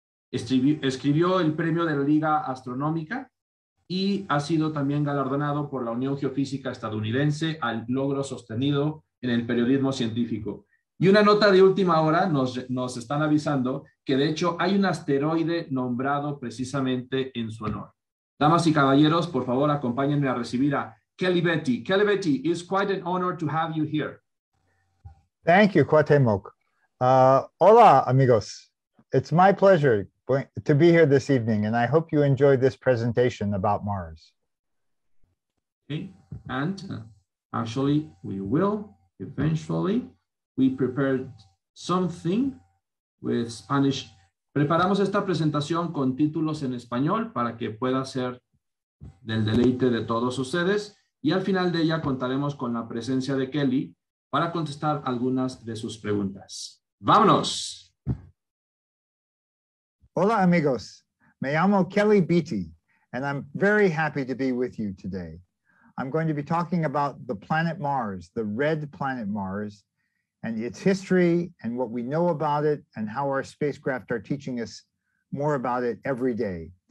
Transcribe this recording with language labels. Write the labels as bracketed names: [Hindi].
[Spanish] Escribió el premio de la Liga Astronómica y ha sido también galardonado por la Unión Geofísica Estadounidense al logro sostenido en el periodismo científico. Y una nota de última hora, nos están avisando que de hecho hay un asteroide nombrado precisamente en su honor. Damas y caballeros, por favor, acompáñenme a recibir a Kelly Beatty. [English] Kelly Beatty, it's quite an honor to have you here. Thank you, Cuauhtémoc. [Spanish] Hola, amigos. [English] It's my pleasure to be here this evening, and I hope you enjoyed this presentation about Mars. Okay, and actually, we will eventually. We prepared something with Spanish. [Spanish] Preparamos esta presentación con títulos en español para que pueda ser del deleite de todos ustedes, y al final de ella contaremos con la presencia de Kelly para contestar algunas de sus preguntas. ¡Vámonos! Hola, amigos. Me llamo [English] Kelly Beatty, and I'm very happy to be with you today. I'm going to be talking about the planet Mars, the red planet Mars, and its history and what we know about it and how our spacecraft are teaching us more about it every day.